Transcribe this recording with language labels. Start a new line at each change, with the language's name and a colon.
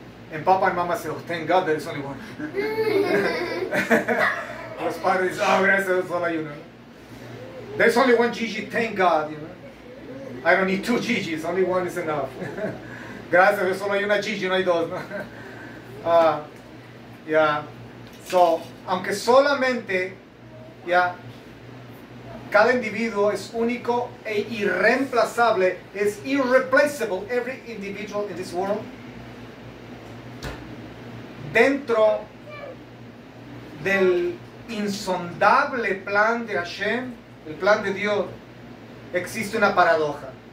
English: And papa and mama say, oh, thank God, there is only one.
Spanish: Los padres dicen, oh, gracias, solo hay uno.
English: There is only one Gigi, thank God, you know. I don't need two Gigi's, only one is enough.
Spanish: Gracias, solo hay una Gigi, no hay dos, no. So, aunque solamente, cada individuo es único e irreemplazable, es irreplaceable,
English: every individual in this world,
Spanish: dentro del insondable plan de Hashem, el plan de Dios, existe una paradoja.